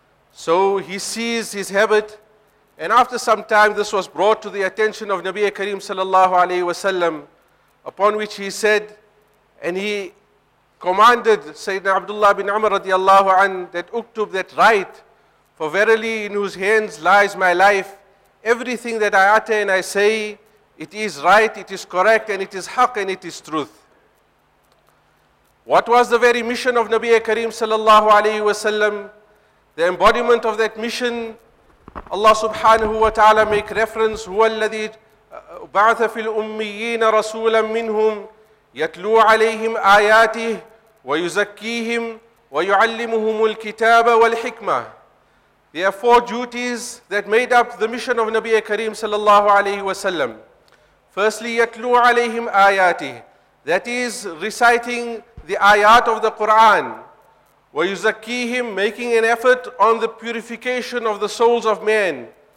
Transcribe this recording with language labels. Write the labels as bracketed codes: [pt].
[en] So he sees his habit, and after some time this was brought to the attention of Nabi Kareem sallallahu alayhi wa sallam, upon which he said, and he commanded Sayyidina Abdullah bin Umar radiallahu an, that uktub, that write, for verily in whose hands lies my life, everything that I utter and I say, it is right, it is correct, and it is haq, and it is truth. What was the very mission of Nabi Kareem sallallahu alayhi wa sallam? The embodiment of that mission, Allah subhanahu wa ta'ala make reference, [ar] هو الذي بعث في الأميين رسولا منهم يتلو عليهم آياته ويزكيهم ويعلمهم الكتاب والحكمة. [en] There are four duties that made up the mission of Nabi Kareem sallallahu alayhi wa sallam. Firstly, [ar] يتلو عليهم آياته, [en] that is reciting the ayat of the Quran. [ar] وَيُزَكِّيهِمْ, [en] making an effort on the purification of the souls of men.